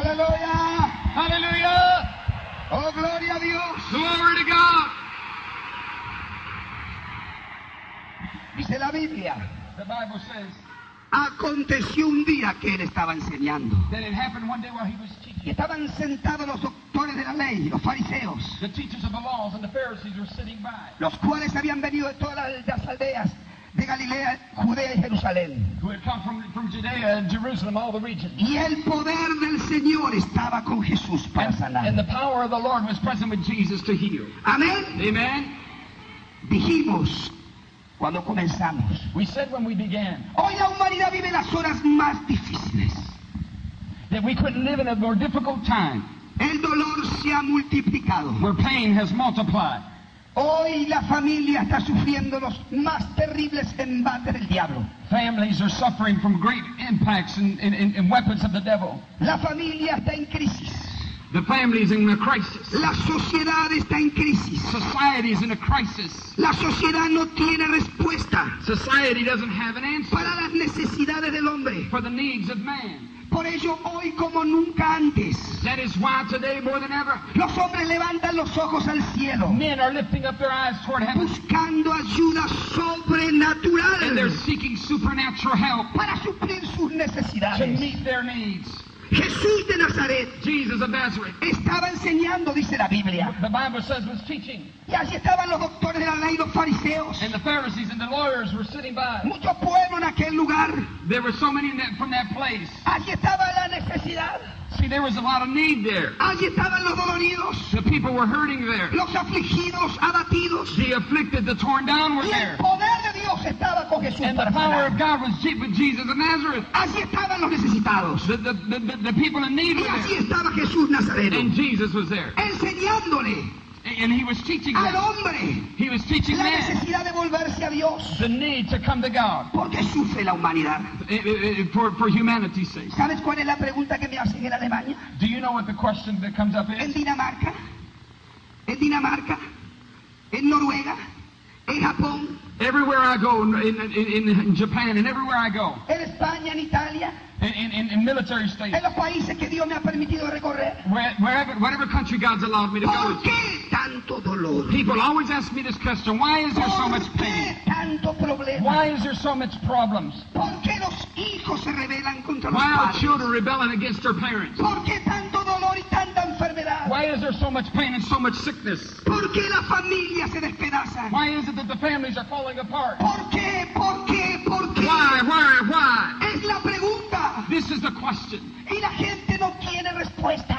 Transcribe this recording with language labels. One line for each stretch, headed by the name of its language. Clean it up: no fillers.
English: Hallelujah. Hallelujah. Oh, glory to Dios. Glory to God.
Spanish: Dice la Biblia.
English: The Bible says.
Spanish: Aconteció un día que él estaba enseñando.
English: That it happened one day while he was teaching.
Spanish: Y estaban sentados los doctores de la ley, los fariseos.
English: The teachers of the laws and the Pharisees were sitting by.
Spanish: Los cuales habían venido de todas las aldeas de Galilea, Judea y Jerusalén.
English: Who had come from Judea and Jerusalem, all the regions.
Spanish: Y el poder del Señor estaba con Jesús para sanar.
English: And the power of the Lord was present with Jesus to heal.
Spanish: Amén.
English: Amen.
Spanish: Dijimos cuando comenzamos.
English: We said when we began.
Spanish: Hoy la humanidad vive las horas más difíciles.
English: That we couldn't live in a more difficult time.
Spanish: El dolor se ha multiplicado.
English: Where pain has multiplied.
Spanish: Hoy la familia está sufriendo los más terribles embates del diablo.
English: Families are suffering from great impacts and weapons of the devil.
Spanish: La familia está en crisis.
English: The family is in a crisis.
Spanish: La sociedad está en crisis.
English: Society is in a crisis.
Spanish: La sociedad no tiene respuesta.
English: Society doesn't have an answer.
Spanish: Para las necesidades del hombre.
English: For the needs of man.
Spanish: Por ello hoy como nunca antes.
English: That is why today more than ever.
Spanish: Los hombres levantan los ojos al cielo.
English: Men are lifting up their eyes toward heaven.
Spanish: Buscando ayuda sobrenatural.
English: And they're seeking supernatural help.
Spanish: Para suplir sus necesidades.
English: To meet their needs.
Spanish: Jesús de Nazaret,
English: Jesus of Nazareth,
Spanish: estaba enseñando, dice la Biblia.
English: The Bible says was teaching.
Spanish: Y allí estaban los doctores de la ley, los fariseos.
English: And the Pharisees and the lawyers were sitting by.
Spanish: Mucho pueblo en aquel lugar.
English: There were so many in that, from that place.
Spanish: Allí estaba la necesidad.
English: See, there was a lot of need there.
Spanish: Allí estaban los doloridos.
English: The people were hurting there.
Spanish: Los afligidos, abatidos.
English: The afflicted, the torn down were there.
Spanish: Y el poder de Dios estaba con Jesús.
English: And the power of God was with Jesus of Nazareth.
Spanish: Allí estaban los necesitados.
English: The people in need
Spanish: y
English: were there.
Spanish: Y allí estaba Jesús Nazareno.
English: And Jesus was there.
Spanish: Enseñándole.
English: And he was teaching
Spanish: al hombre,
English: he was teaching
Spanish: la necesidad
English: man,
Spanish: de volverse a Dios,
English: the need to come to God,
Spanish: porque sufre la humanidad,
English: for humanity's sake.
Spanish: ¿Sabes cuál es la pregunta que me hacen en Alemania?
English: Do you know what the question that comes up is?
Spanish: En Dinamarca, en Dinamarca, en Noruega, en Japón,
English: everywhere I go, in Japan, and everywhere I go,
Spanish: en España, en Italia.
English: In military states.
Spanish: En los países que Dios me ha permitido recorrer.
English: Whatever country God's allowed me to go.
Spanish: ¿Por qué tanto dolor?
English: People always ask me this question. Why is there so much pain?
Spanish: ¿Por qué tanto problema?
English: Why is there so much problems?
Spanish: ¿Por qué los hijos se rebelan contra los padres?
English: Why are children rebelling against their parents?
Spanish: ¿Por qué tanto dolor y tanta enfermedad?
English: Why is there so much pain and so much sickness?
Spanish: ¿Por qué la familia se despedaza?
English: Why is it that the families are falling apart?
Spanish: ¿Por qué? ¿Por qué? ¿Por qué?
English: Why?
Spanish: Es la pregunta.
English: This is the question.
Spanish: Y la gente no tiene respuesta.